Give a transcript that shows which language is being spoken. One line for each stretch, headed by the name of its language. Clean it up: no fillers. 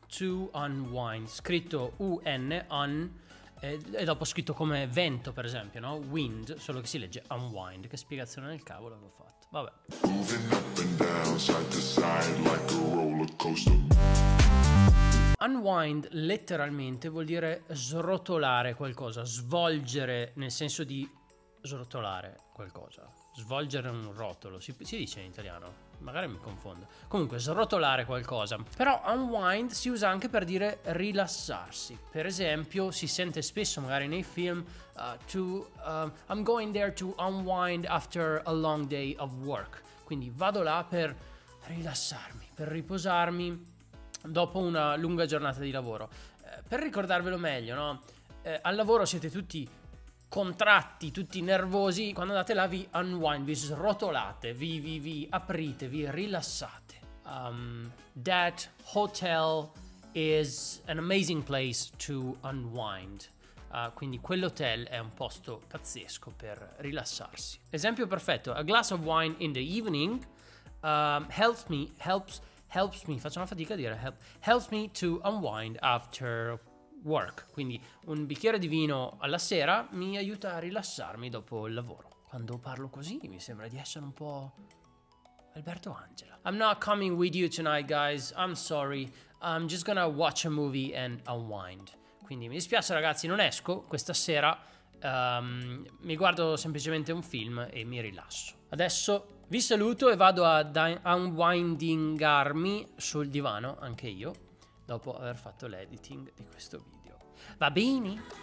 Italian: To unwind, scritto un, un, e dopo scritto come vento, per esempio, no? Wind, solo che si legge unwind. Che spiegazione del cavolo avevo fatto. Vabbè.
English: Moving up and down, side to side, like a roller coaster.
Italian: Unwind letteralmente vuol dire srotolare qualcosa, svolgere nel senso di srotolare qualcosa. Svolgere un rotolo, si dice in italiano? Magari mi confondo. Comunque, srotolare qualcosa. Però unwind si usa anche per dire rilassarsi. Per esempio, si sente spesso magari nei film
English: I'm going there to unwind after a long day of work.
Italian: Quindi vado là per rilassarmi, per riposarmi dopo una lunga giornata di lavoro. Per ricordarvelo meglio, no? Al lavoro siete tutti contratti, tutti nervosi, quando andate là vi unwind, vi srotolate, vi aprite, vi rilassate.
English: That hotel is an amazing place to unwind.
Italian: Quindi quell'hotel è un posto pazzesco per rilassarsi. Esempio perfetto:
English: a glass of wine in the evening helps me,
Italian: faccio una fatica a dire
English: helps me to unwind after work.
Italian: Quindi un bicchiere di vino alla sera mi aiuta a rilassarmi dopo il lavoro. Quando parlo così mi sembra di essere un po' Alberto Angela.
English: I'm not coming with you tonight, guys. I'm sorry. I'm just gonna watch a movie and unwind.
Italian: Quindi mi dispiace, ragazzi, non esco questa sera. Mi guardo semplicemente un film e mi rilasso. Adesso vi saluto e vado ad unwindingarmi sul divano, anche io, dopo aver fatto l'editing di questo video. Va bene?